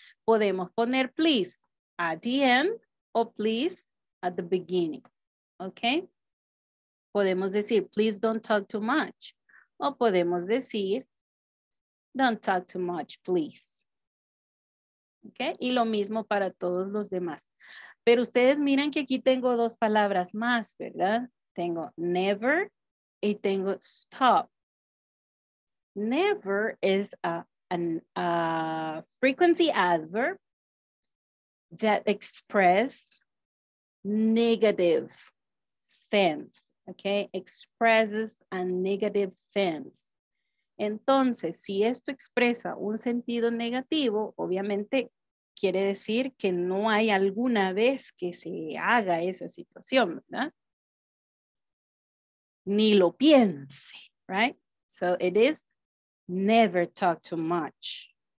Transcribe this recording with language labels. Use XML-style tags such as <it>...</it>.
<es>Podemos poner</es> <en>please at the end o please at the beginning, okay?</en> <es>Podemos decir</es> <en>please don't talk too much</en> <es>o podemos decir</es> <en>don't talk too much, please.</en> <es>Okay? Y lo mismo para todos los demás. Pero ustedes miran que aquí tengo dos palabras más, ¿verdad? Tengo never y tengo stop.</es> <en>Never is a frequency adverb that express negative sense, okay? Expresses a negative sense.</en> <es>Entonces, si esto expresa un sentido negativo, obviamente quiere decir que no hay alguna vez que se haga esa situación, ¿verdad? Ni lo piense,</es> <en>right? So it is never talk too much.</en>